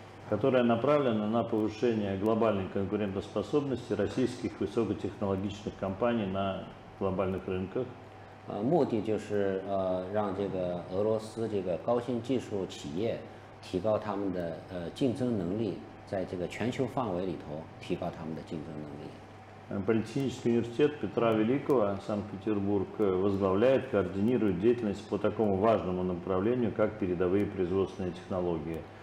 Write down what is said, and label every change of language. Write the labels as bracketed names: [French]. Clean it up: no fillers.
[Russian] которая направлена на повышение глобальной конкурентоспособности российских высокотехнологичных компаний на глобальных рынках. [Chinese] 目的就是让这个俄罗斯这个高新技术企业提高他们的竞争能力，在这个全球范围里头提高他们的竞争能力。 [Russian] Политехнический университет Петра Великого, Санкт-Петербург, возглавляет, координирует деятельность по такому важному направлению, как передовые производственные технологии.